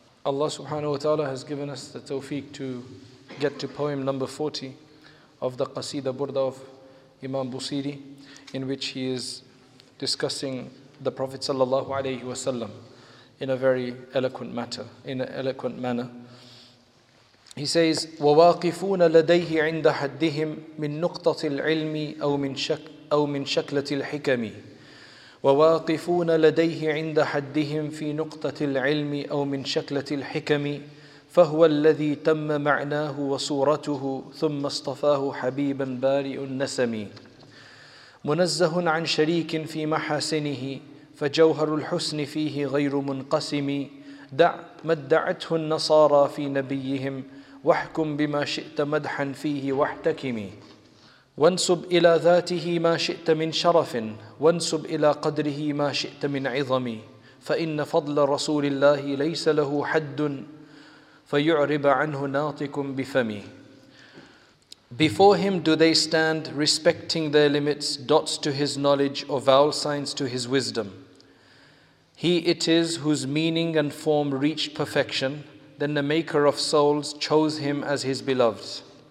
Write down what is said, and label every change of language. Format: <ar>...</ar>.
<en>Allah subhanahu wa ta'ala has given us the tawfiq to get to poem number 40 of the Qasida Burda of Imam Busiri, in which he is discussing the Prophet sallallahu alayhi wa sallam in a very eloquent matter, in an eloquent manner. He says,</en> <ar>وَوَاقِفُونَ لَدَيْهِ عِنْدَ حَدِّهِمْ مِنْ نُقْطَةِ الْعِلْمِ أَوْ مِنْ شَكْلَةِ الْحِكَمِ وَوَاقِفُونَ لَدَيْهِ عِنْدَ حَدِّهِمْ فِي نُقْطَةِ الْعِلْمِ أَوْ مِنْ شَكْلَةِ الْحِكَمِ فهو الذي تم معناه وصورته ثم اصطفاه حبيبا بارئ النسم منزه عن شريك في محاسنه فجوهر الحسن فيه غير منقسم دع ما ادعته النصارى في نبيهم واحكم بما شئت مدحا فيه واحتكم وانسب إلى ذاته ما شئت من شرف وانسب إلى قدره ما شئت من عظم فإن فضل رسول الله ليس له حد فيعرب عنه ناطق بفمي.</ar> <en>Before him do they stand, respecting their limits, dots to his knowledge or vowel signs to his wisdom. He it is whose meaning and form reached perfection, then the maker of souls chose him as his beloved.</en>